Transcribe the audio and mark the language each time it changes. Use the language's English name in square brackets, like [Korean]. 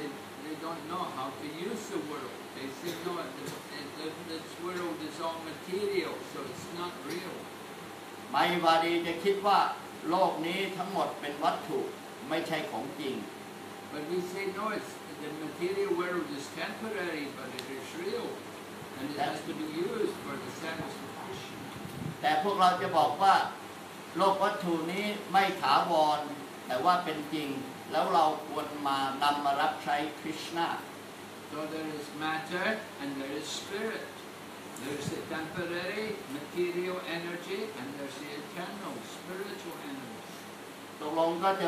[English] they don't know how to use the world. They say, no, this world is all material, so it's not real. My body, they think that the world is all material, so it's not real. But we say, no, it's, the material world is temporary, but it is real. And it has to be used for the satisfaction. But we will say that [Thai] โลกวัตถุนี้ไม่ถาวรแต่ว่าเป็นจริงแล้วเราควรมานำมารับใช้คริสต์นา [English] So there is matter and there is spirit. There is the temporary material energy and there is the eternal spiritual energy.